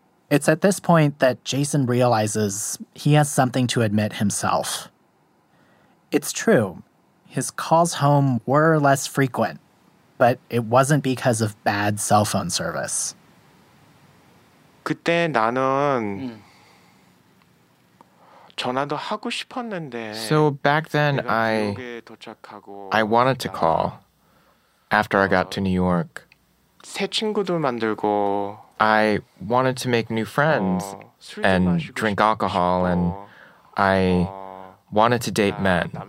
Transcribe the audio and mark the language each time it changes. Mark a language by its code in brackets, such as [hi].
[en] It's at this point that Jason realizes he has something to admit himself. It's true, his calls home were less frequent, but it wasn't because of bad cell phone service. [ko] 그때 나는 전화도 하고 싶었는데. [en] So back then, I wanted to call after I got to New York. [ko] 새 친구도 만들고. [en] I wanted to make new friends and drink alcohol, and I wanted to date men.